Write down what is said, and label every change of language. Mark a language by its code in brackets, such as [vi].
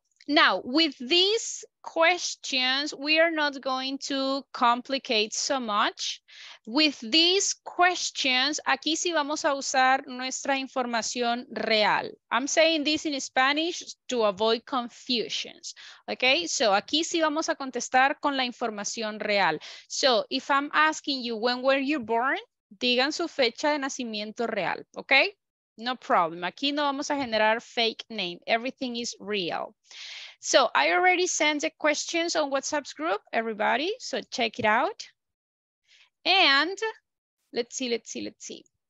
[en] Now, with these questions, we are not going to complicate so much. With these questions, [es] aquí sí vamos a usar nuestra información real. [en] I'm saying this in Spanish to avoid confusions. Okay, so [es] aquí sí vamos a contestar con la información real. [en] So if I'm asking you, when were you born? [es] Digan su fecha de nacimiento real, okay? [en] No problem. [es] Aquí no vamos a generar fake name. [en] Everything is real. So I already sent the questions on WhatsApp's group, everybody. So check it out. And let's see.